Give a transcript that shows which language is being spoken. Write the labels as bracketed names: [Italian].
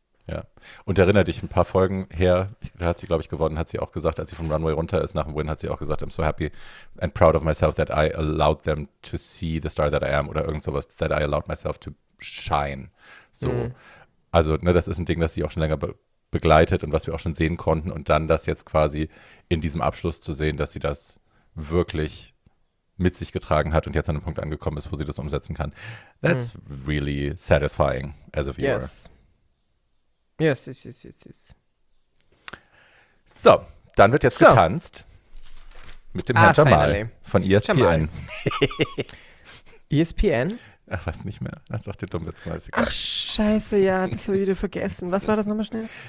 [German] Ja, und erinnere dich, ein paar Folgen her, da hat sie, glaube ich, gewonnen, hat sie auch gesagt, als sie vom Runway runter ist nach dem Win, hat sie auch gesagt, [English] I'm so happy and proud of myself that I allowed them to see the star that I am [German] oder irgend sowas, [English] that I allowed myself to shine. [German] So. Mhm. Also ne, das ist ein Ding, das sie auch schon länger begleitet und was wir auch schon sehen konnten und dann das jetzt quasi in diesem Abschluss zu sehen, dass sie das wirklich mit sich getragen hat und jetzt an einem Punkt angekommen ist, wo sie das umsetzen kann. [English] That's really satisfying as a viewer. Yes. [German] So, dann wird jetzt getanzt mit dem Herrn Jamal von ESPN. Jamal. ESPN? Ach, was nicht mehr. Ach, doch, der Dummwitz. Ach, scheiße, ja, das habe ich wieder vergessen. Was war das nochmal schnell?